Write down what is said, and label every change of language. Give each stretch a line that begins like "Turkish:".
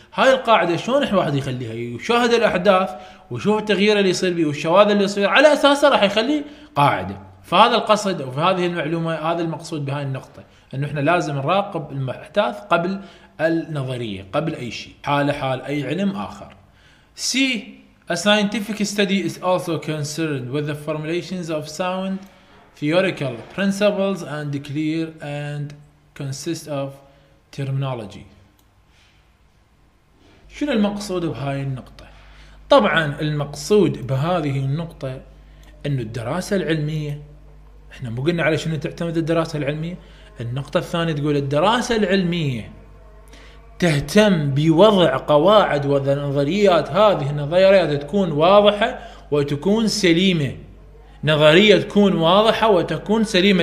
Arabic: هاي القاعدة شلون الواحد يخليها يشاهد الأحداث وشوف التغيير اللي يصير بيه والشواذ اللي يصير، على أساسها راح يخلي قاعدة. فهذا القصد وفي هذه المعلومة هذا المقصود بهاي النقطة، أنه إحنا لازم نراقب الأحداث قبل النظرية، قبل أي شيء، حال حال أي علم آخر.
English: C. A scientific study is also concerned with the formulations of sound theoretical principles and clear and consist of terminology.
Arabic: شنو المقصود بهاي النقطة؟ طبعا المقصود بهذه النقطة أنه الدراسة العلمية، إحنا مو قلنا على شنو تعتمد الدراسة العلمية. النقطة الثانية تقول الدراسة العلمية تهتم بوضع قواعد ونظريات، هذه النظريات تكون واضحة وتكون سليمة، نظرية تكون واضحة وتكون سليمة.